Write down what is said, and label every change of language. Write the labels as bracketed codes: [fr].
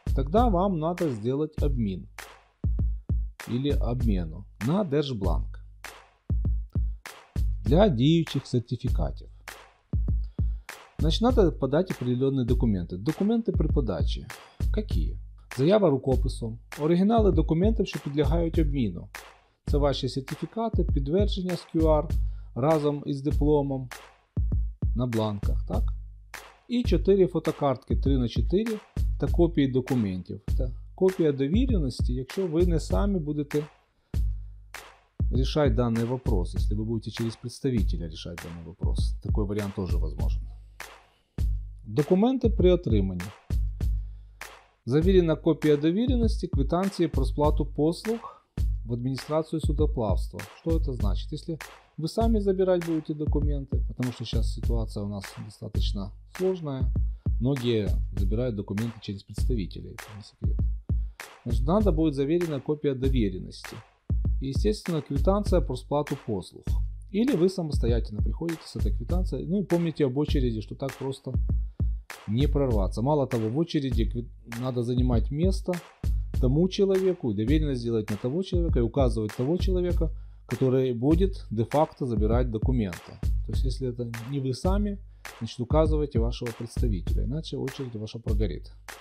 [ru] Тогда вам надо сделать обмен или обмену на держбланк для действующих сертификатов. Значит, надо подать определенные документы. Документы при подаче. Какие? [uk] Заява рукописом. [ru] Оригинали документов, [uk] що підлягають обміну. Це ваші сертифікати, підтвердження з QR разом із дипломом на бланках, так? І 4 фотокартки 3х4 та копії документів. Та копія довіреності, якщо ви не самі будете рішати даний вопрос, якщо ви будете через представителя рішати даний вопрос. Такий варіант теж можливий. Документи при отриманні. Завірена копія довіреності квитанції про сплату послуг в адміністрацію судоплавства. Що це значить? Якщо ви самі забирати будете документи, тому що зараз ситуація у нас достатньо складна, багато забирають документи через представителів. Це не секрет. Значить, треба буде завірена копія довіреності. І, звісно, квитанція про сплату послуг. Або ви самостоятельно приходите з цією квитанцією, ну і пам'ятайте об очереді, що так просто не прорваться. [ru] Мало того, в очереди надо занимать место тому человеку, доверенность сделать на того человека и указывать того человека, который будет де-факто забирать документы. То есть, если это не вы сами, значит, указывайте вашего представителя, иначе очередь ваша прогорит.